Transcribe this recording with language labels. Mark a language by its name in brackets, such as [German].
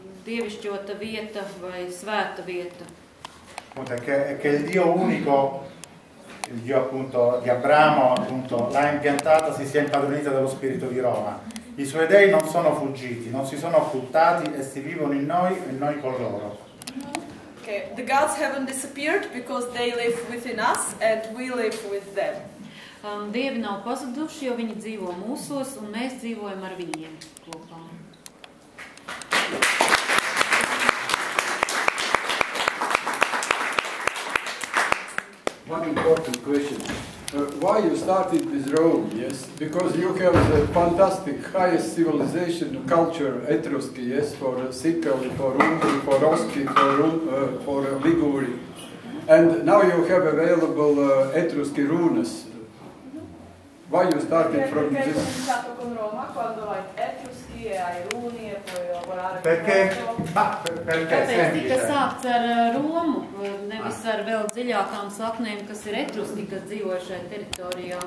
[Latvian] dievišķota vieta vai svēta vieta. [Italian] Punto, che il Dio unico, il Dio appunto di Abramo, appunto, l'ha impiantata, si sia impadronita dello spirito di Roma. I suoi dei non sono fuggiti, non si sono occultati e si vivono in noi e noi con loro. [English] Okay. The gods haven't disappeared because they live within us and we live with them. [Latvian] Dievi nav pazuduši, jo viņi dzīvo mūsos un mēs dzīvojam ar viņiem kopā. [English] One important question. Why you started with Rome? Yes, because you have the fantastic highest civilization culture, Etruski, yes, for Sicily, for Umbria, for Osti, for Liguri. And now you have available Etruski runes. Why you started from this? [Italian] Perché hai cominciato con Roma quando hai Etruski e hai runi e puoi lavorare. Perché? Ma perché? [Latvian] Tāpēc tika sākts ar Romu, nevis ar vēl dziļākām saknēm, kas ir Etruski, kas dzīvojušajā teritorijā.